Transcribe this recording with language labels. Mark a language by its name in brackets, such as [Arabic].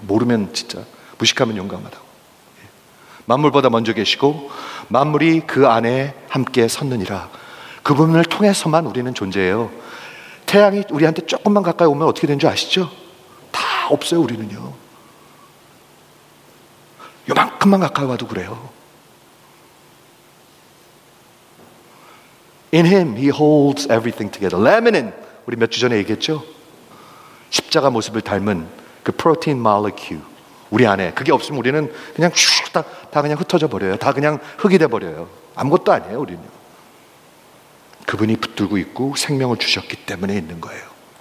[Korean] 모르면 진짜 무식하면 용감하다고. 만물보다 먼저 계시고 만물이 그 안에 함께 섰느니라. 그분을 통해서만 우리는 존재해요. 태양이 우리한테 조금만 가까이 오면 어떻게 된 줄 아시죠? 다 없어요. 우리는요. 요만큼만 가까이 와도 그래요. [English] In him he holds everything together. [Korean] Laminin 우리 몇 주 전에 얘기했죠? 십자가 모습을 닮은 그 프로틴 몰레큘 우리 안에 그게 없으면 우리는 그냥 슉 다 그냥 흩어져 버려요. 다 그냥 흙이 돼 버려요. 아무것도 아니에요, 우리는. 그분이 붙들고 있고 생명을 주셨기 때문에 있는 거예요.